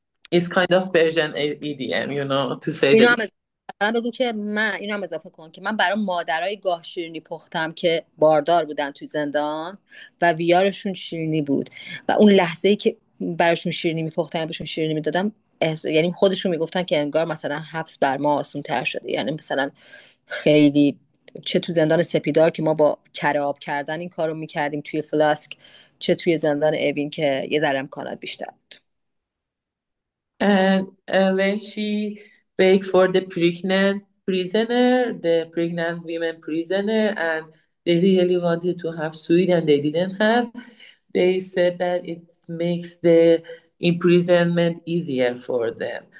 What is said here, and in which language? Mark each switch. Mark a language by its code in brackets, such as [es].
[en] It's kind of Persian idiom, to say the [fa] اینو [en] least. [fa] هم بگو که من اینو هم اضافه کن که من برای مادرای گاه شیرینی پختم که باردار بودن تو زندان و ویارشون شیرینی بود و اون لحظه ای که براشون شیرینی میپختم بهشون شیرینی میدادم یعنی خودشون میگفتن که انگار مثلا حبس بر ما آسون تر شده، یعنی مثلا خیلی چه تو زندان سپیدار که ما با کره آب کردن این کارو میکردیم توی فلاسک، چه توی زندان اوین که یه ذره امکانات بیشتر بود. [en] And when she baked for the pregnant prisoner, the pregnant women prisoner, and they really wanted to have sweet and they didn't have, they said that it makes the imprisonment easier for them.